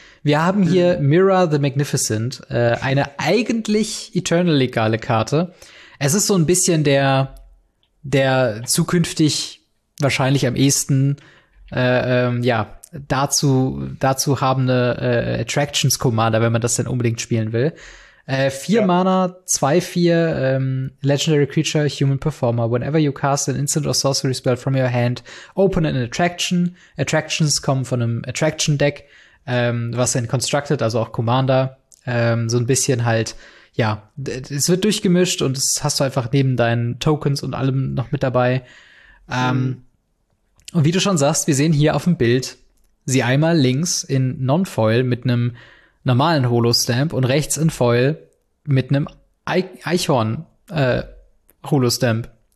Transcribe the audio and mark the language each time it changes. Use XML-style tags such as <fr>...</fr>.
<de>Wir haben hier Mirra the Magnificent, eine eigentlich Eternal legale Karte. Es ist so ein bisschen der zukünftig wahrscheinlich am ehesten ja dazu habende Attractions Commander, wenn man das denn unbedingt spielen will. 4 Mana, 2/4 Legendary Creature, Human Performer.</de> <en>Whenever you cast an instant or sorcery spell from your hand, open an Attraction.</en> <de>Attractions kommen von einem Attraction Deck, was in Constructed, also auch Commander, so ein bisschen halt. Ja, es wird durchgemischt und das hast du einfach neben deinen Tokens und allem noch mit dabei. Und wie du schon sagst, wir sehen hier auf dem Bild sie einmal links in Non-Foil mit einem normalen Holo-Stamp und rechts in Foil mit einem Eichhorn-Holo-Stamp.</de>